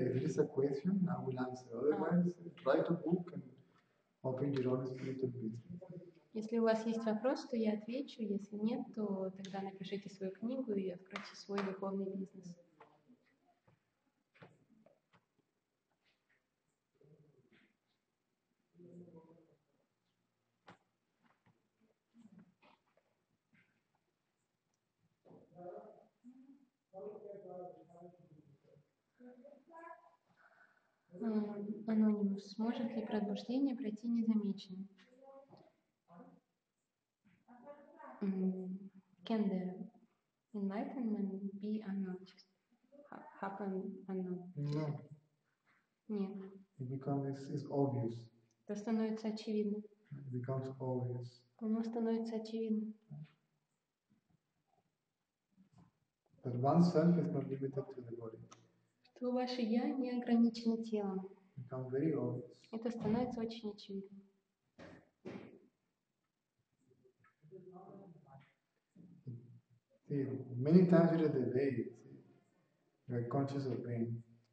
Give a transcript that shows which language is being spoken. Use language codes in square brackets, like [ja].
[en] If it is a question, I will answer. Otherwise, write a book and open your own spiritual business. [ru] Если у вас есть вопрос, то я отвечу. Если нет, то тогда напишите свою книгу и откройте свой духовный бизнес. Анонимус, сможет ли пробуждение пройти незамеченным? [en] Can the enlightenment be unnoticed? Happen unnoticed? No. It becomes is obvious. [ru] Это становится очевидным. [en] It becomes obvious. [ru] Оно становится очевидным. [en] That one self is not limited to the body. [ru] Что ваше я не ограничено телом. [en] Become very obvious. [ru] Это становится очень очевидным. [en] Many times during the day, you are conscious of pain.